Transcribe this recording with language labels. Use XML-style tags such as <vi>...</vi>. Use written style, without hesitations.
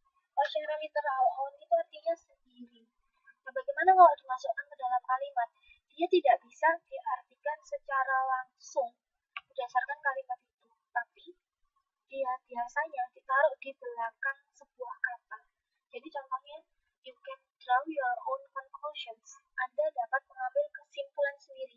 <id>Kalau secara literal, on itu artinya sendiri. Nah, bagaimana kalau dimasukkan ke dalam kalimat? Dia tidak bisa diartikan secara langsung berdasarkan kalimat itu, tapi dia biasanya ditaruh di belakang sebuah kata. Jadi contohnya,</id> <en>you can draw your own conclusions.</en> <id>Anda dapat mengambil kesimpulan sendiri.</id>